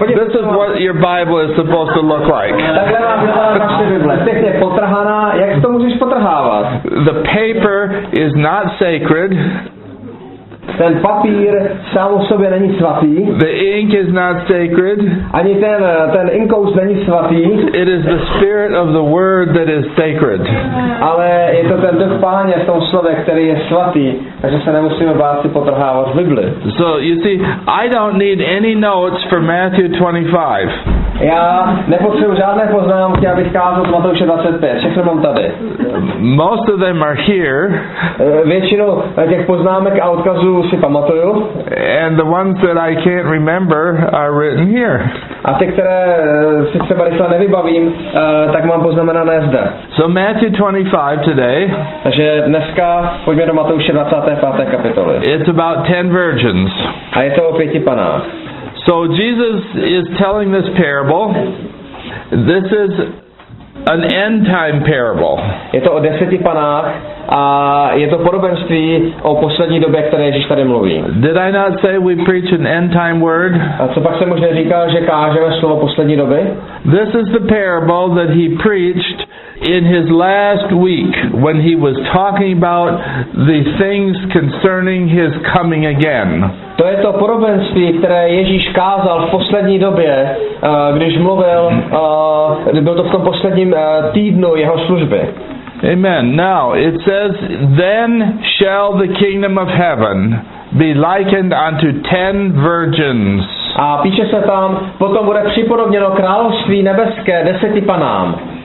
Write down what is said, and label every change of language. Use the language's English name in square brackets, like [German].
[English] This is what your Bible is supposed to look like. [Czech] Takhle má vypadat naše Bible. Pěkně potrhaná. Jak to můžeš potrhávat? [English] The paper is not sacred. [Czech] Ten papír sám o sobě není svatý. [English] The ink is not sacred. [Czech] Ani ten inkoust není svatý. [English] It is the spirit of the word that is sacred. [Czech] Ale je to ten duch Páně v tom slově, který je svatý, takže se nemusíme bát si potrhávat Bibli. [English] So you see, I don't need any notes for Matthew 25. [Czech] Já nepotřebuji žádné poznámky, abych kázal z Matouše 25. Všechno mám tady. [English] Most of them are here. [Czech] Většinu těch poznámek a odkazů si pamatuju. [English] And the ones that I can't remember are written here. [Czech] A ty, které si třeba rychle nevybavím, tak mám poznamenané zde. [English] So Matthew 25 today. [Czech] Takže dneska pojďme do Matouše 25. kapitoly. [English] It's about 10 virgins. [Czech] A je to o pěti panách. [English] So Jesus is telling this parable. This is an end time parable. [Czech] Je to o deseti panách a je to podobenství o poslední době, které Ježíš tady mluví. [English] Did I not say we preach an end time word? [Czech] A co pak se možná říká, že kážeme slovo poslední doby? [English] This is the parable that he preached in his last week when he was talking about the things concerning his coming again. [Czech] To je to podobenství, které Ježíš kázal v poslední době, když mluvil, byl to v tom posledním týdnu jeho služby. [English] Amen. Now, it says, "Then shall the kingdom of heaven be likened unto 10 virgins." [Czech] A píše se tam, potom bude připodobněno království nebeské 10 panám.